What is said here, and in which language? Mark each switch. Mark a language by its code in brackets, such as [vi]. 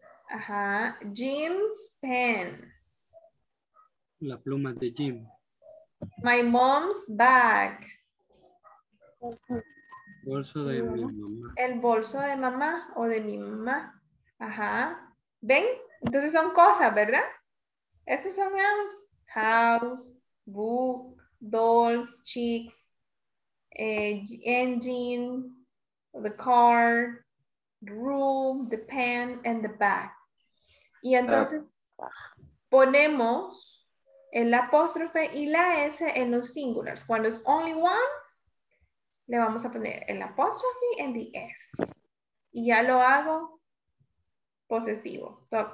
[en] Ajá. Jim's pen. [es] La pluma de Jim. [en] My mom's bag. [es] Bolso de mi mamá. El bolso de mamá o de mi mamá. Ajá. ¿Ven? Entonces son cosas, ¿verdad? Estos son nouns. [en] House, book, dolls, chicks, engine, the car, room, the pen, and the bag. [es] Y entonces ponemos el apóstrofe y la S en los singulars. Cuando es [en] only one, [es] le vamos a poner el apóstrofe [en] and the S. [es] Y ya lo hago posesivo.